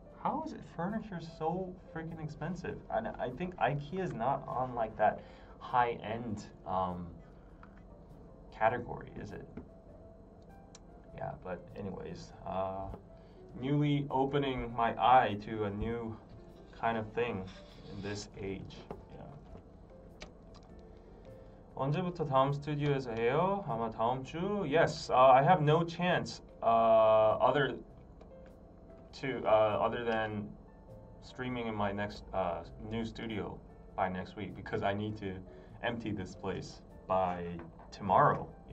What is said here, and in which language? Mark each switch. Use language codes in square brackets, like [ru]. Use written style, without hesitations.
[en] How is it furniture so freaking expensive? And I think IKEA is not on like that high-end category, is it? Yeah, but anyways, newly opening my eye to a new kind of thing in this age. Yeah. [ko] 언제부터 다음 스튜디오에서 해요? 아마 다음 주? [en] Yes, I have no chance other than streaming in my next new studio by next week, because I need to empty this place by tomorrow.